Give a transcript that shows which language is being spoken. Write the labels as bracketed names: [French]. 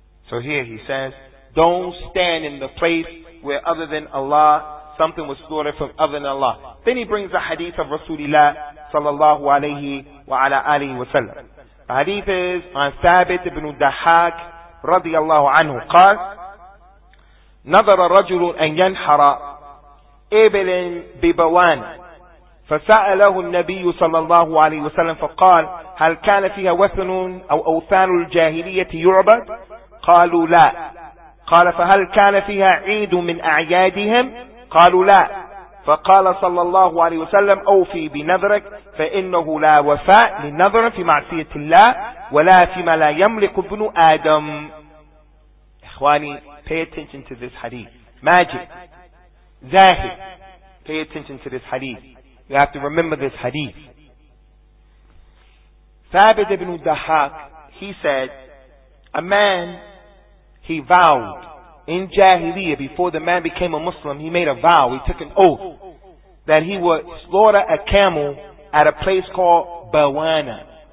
[English] So here he says, don't stand in the place where other than Allah, something was slaughtered from other than Allah. Then he brings the hadith of Rasulullah sallallahu alayhi wa ala alihi wa sallam. Hadith is on Thabit ibn Dahak radiallahu anhu. [Arabic] قال نظر الرجل أن ينحر إبل ببوان فسأله النبي صلى الله عليه وسلم فقال هل كان فيها وثن أو أوثان الجاهلية يعبد؟ قالوا لا. قال فهل كان فيها عيد من أعيادهم؟ قالوا لا. فقال صلى الله عليه وسلم أوفي بنذرك فإنه لا وفاء للنذر في معصية الله ولا فيما لا يملك ابن آدم. إخواني, [English] pay attention to this hadith. Magic. Zahid. Pay attention to this hadith. You have to remember this hadith. Thabit ibn Dahak, he said, a man, he vowed in Jahiliyyah, before the man became a Muslim, he made a vow, he took an oath, that he would slaughter a camel at a place called Bawana.